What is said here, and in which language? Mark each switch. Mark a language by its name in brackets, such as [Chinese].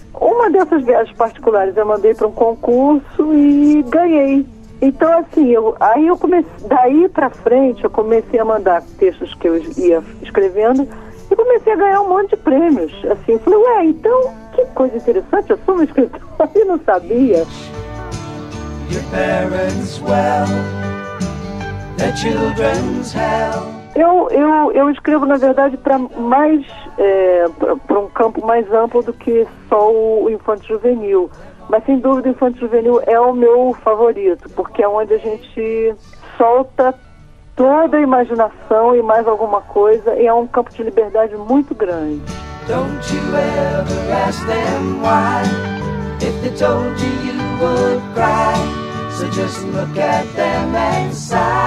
[Portuguese] Uma dessas viagens particulares eu mandei para um concurso e ganhei. Então assim, daí para frente eu comecei a mandar textos que eu ia escrevendo e comecei a ganhar um monte de prêmios. Assim, eu falei, ué, então que coisa interessante, eu sou uma escritora e não sabia. [English] Your parents well, their children's hell. [Portuguese] Eu escrevo, na verdade, para mais para um campo mais amplo do que só o infanto-juvenil. Mas, sem dúvida, o infanto-juvenil é o meu favorito, porque é onde a gente solta toda a imaginação e mais alguma coisa, e é um campo de liberdade muito grande. [English] Don't you ever ask them why, if they told you you would cry, so just look at them and sigh.